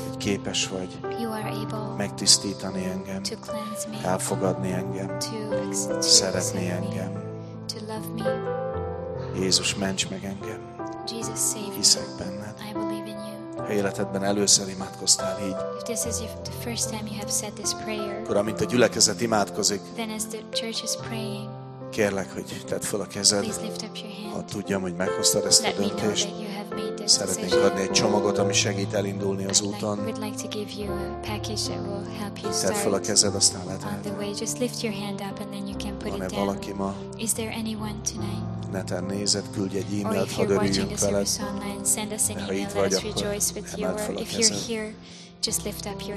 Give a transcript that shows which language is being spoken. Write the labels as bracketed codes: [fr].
[hu] Hogy képes vagy. [en] You are able. [hu] Megtisztítani engem. [en] To cleanse me. [hu] Elfogadni engem. [en] To accept [hu] me. Szeretni engem. [en] To love me. [hu] Jézus, ments meg engem. [en] Jesus, save me. [hu] Hiszek benned. [en] I believe in you. [hu] Ha életedben először imádkoztál így, [en] if this is the first time you have said this prayer, [hu] akkor amint a gyülekezet imádkozik, [en] then as the church is praying, [hu] kérlek, hogy tedd fel a kezed, [en] please lift up your hand. [hu] Ha tudjam, hogy meghoztad ezt [en] let [hu] a döntést, [en] me know that you have made this [hu] szeretnénk [en] decision. [hu] Adni egy csomagot, ami segít elindulni az úton. [en] We'd like to give you a package that will help you start. [hu] Tedd fel a kezed, aztán lehet [en] on the way, just lift your hand up and then you can put it down. [hu] Van-e valaki ma? [en] Is there anyone tonight? [hu] Neten nézed, küldj egy e-mailt, hadd örüljünk veled. Ha itt vagy, akkor emeld fel a kezed.